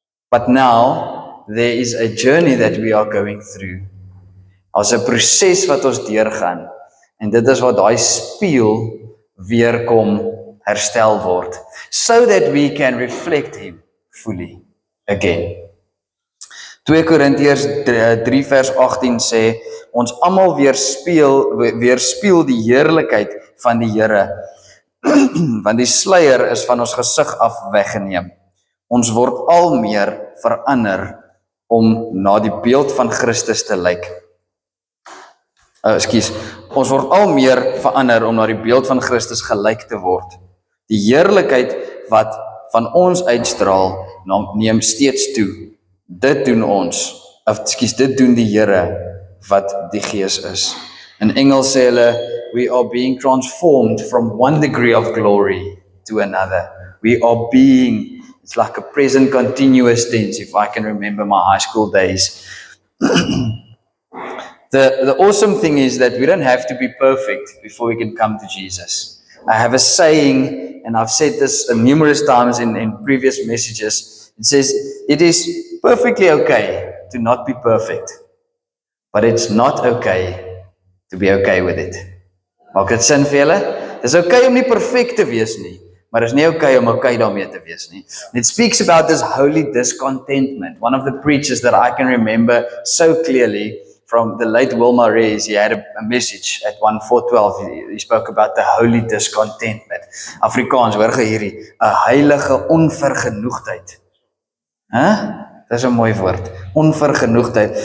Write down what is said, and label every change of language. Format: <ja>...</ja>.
<en>But now, there is a journey that we are going through.</en> <af>As a proses wat ons deurgaan. En dit is wat daai spieël weer kom herstel word.</af> <en>So that we can reflect Him fully again.</en> <af>2 Korintiërs 3 vers 18 sê, ons almal weerspieël die heerlikheid van die Here, want die sluier is van ons gesig af weggeneem. Ons word al meer verander om na die beeld van Christus te lyk. Ons word al meer verander om na die beeld van Christus gelyk te word. Die heerlikheid wat van ons uitstraal, neem steeds toe. Dit doen die Here wat die Gees is. In Engels sê hulle,</af> <en>we are being transformed from one degree of glory to another. We are being, it's like a present continuous tense, if I can remember my high school days. The awesome thing is that we don't have to be perfect before we can come to Jesus. I have a saying, and I've said this numerous times in previous messages, it says, it is perfectly okay to not be perfect, but it's not okay to be okay with it.</en> <af>Maak dit sin vir julle? Dis okay om nie perfect te wees nie, maar dis nie okay om okay daarmee te wees nie.</af> <en>And it speaks about this holy discontentment. One of the preachers that I can remember so clearly from the late Wilma Rees, he had a message at 1412. He spoke about the holy discontentment.</en> <af>Afrikaans, hoor gee hierdie, 'n heilige onvergenoegdheid. Dit is 'n mooi woord, onvergenoegdheid.</af>